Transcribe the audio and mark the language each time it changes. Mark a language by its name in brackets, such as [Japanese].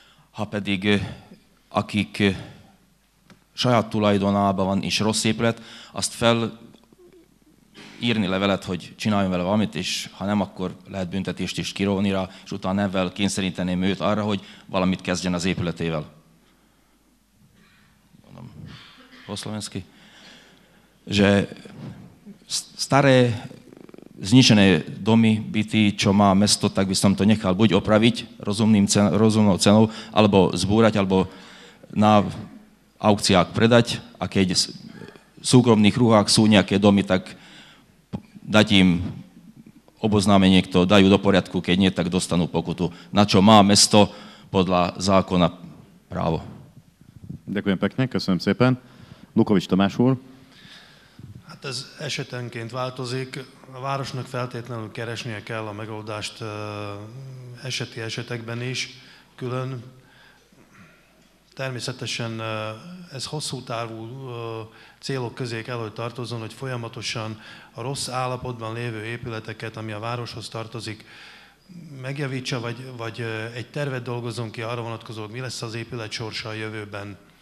[Hungarian] Ha pedig akik saját tulajdonában van és rossz épület, azt felírni levelet, hogy csináljon vele valamit, és ha nem, akkor lehet büntetést is kirovni rá, és utána ezzel kényszeríteném őt arra, hogy valamit kezdjen az épületével. Mondom, poszlovenszki. [Slovak] Že staré zničené domy, byty, čo má mesto, tak by som to nechal buď opraviť rozumnou cenou, alebo zbúrať, alebo na aukciách predať. A keď v súkromných ruhách sú nejaké domy, tak dať im oboznámenie, kto dajú do poriadku, keď nie, tak dostanú pokutu. Na čo má mesto podľa zákona právo. Ďakujem pekne, [Hungarian] köszönöm szépen. Lukovič Tamás úr. Hát ez esetenként változik. A városnak feltétlenül keresnie kell a megoldást eseti esetekben is, külön. Természetesen ez hosszú távú célok közé kell, hogy tartozzon, hogy folyamatosan a rossz állapotban lévő épületeket, ami a városhoz tartozik, megjavítsa, vagy egy tervet dolgozzon ki arra vonatkozó, hogy mi lesz az épület sorsa a jövőben.